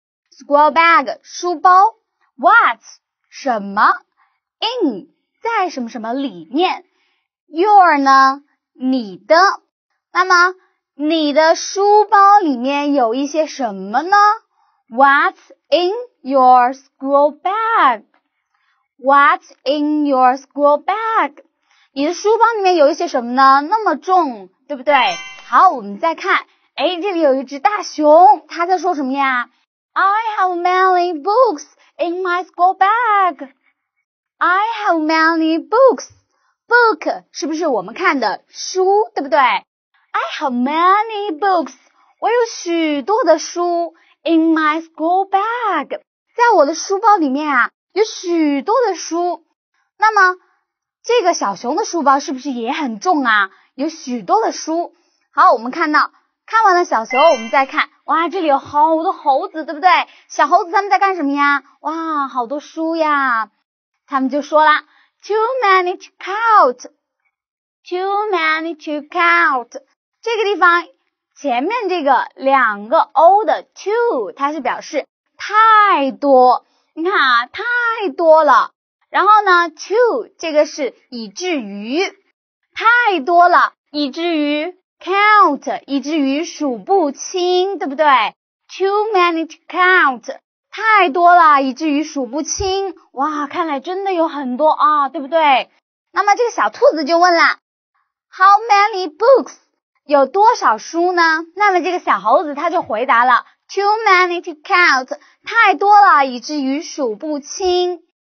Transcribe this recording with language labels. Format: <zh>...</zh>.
<zh>School bag, 书包 What, 什么 In, 在什么什么里面 Your 呢你的那么你的书包里面有一些什么呢</zh> <en>What's in your school bag? What's in your school bag?</en> <zh>你的书包里面有一些什么呢那么重对不对好我们再看诶这里有一只大熊它在说什么呀</zh> <en>I have many books in my school bag. I have many books. Book</en> <zh>是不是我们看的书，对不对</zh> <en>？I have many books.</en> <zh>我有许多的书</zh> <en>in my school bag.</en> <zh>在我的书包里面啊，有许多的书。那么，这个小熊的书包是不是也很重啊？有许多的书。好，我们看到，看完了小熊，我们再看。哇这里有好多猴子对不对小猴子他们在干什么呀哇好多书呀。他们就说了</zh> <en>too many to count, too many to count.</en> <zh>这个地方前面这个两个 O 的 too, 它是表示太多你看啊太多了。然后呢 too, 这个是以至于太多了以至于count, 以至于数不清对不对 ?</zh> <en>too many to count,</en> <zh>太多了以至于数不清哇看来真的有很多啊对不对那么这个小兔子就问了 ,</zh> <en>how many books,</en> <zh>有多少书呢那么这个小猴子他就回答了 ,too many to count, 太多了以至于数不清。</zh>